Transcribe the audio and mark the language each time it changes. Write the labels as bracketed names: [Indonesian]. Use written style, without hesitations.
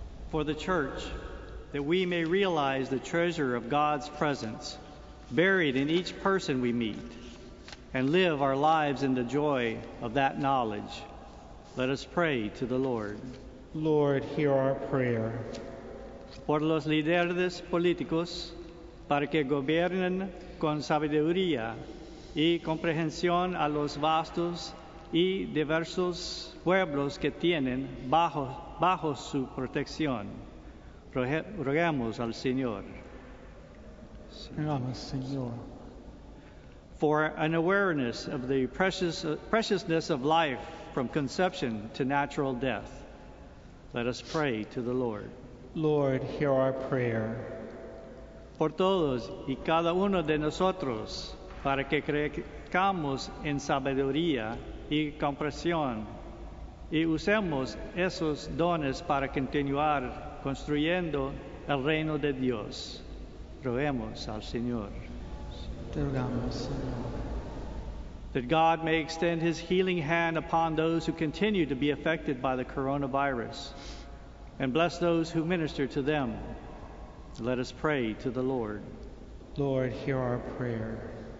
[English] For the church, that we may realize the treasure of God's presence buried in each person we meet and live our lives in the joy of that knowledge, let us pray to the Lord. Lord, hear our prayer. [Spanish] Por los líderes políticos, para que gobiernen con sabiduría y comprensión a los vastos y diversos pueblos que tienen bajo su protección. Rogamos al Señor. Rogamos, Señor. [English] For an awareness of the preciousness of life from conception to natural death, let us pray to the Lord. Lord, hear our prayer. [Spanish] Por todos y cada uno de nosotros, para que crezcamos en sabiduría y comprensión, y usemos esos dones para continuar construyendo el reino de Dios. Roguemos al Señor. Rogamos, Señor. [English] That God may extend his healing hand upon those who continue to be affected by the coronavirus, and bless those who minister to them. Let us pray to the Lord. Lord, hear our prayer.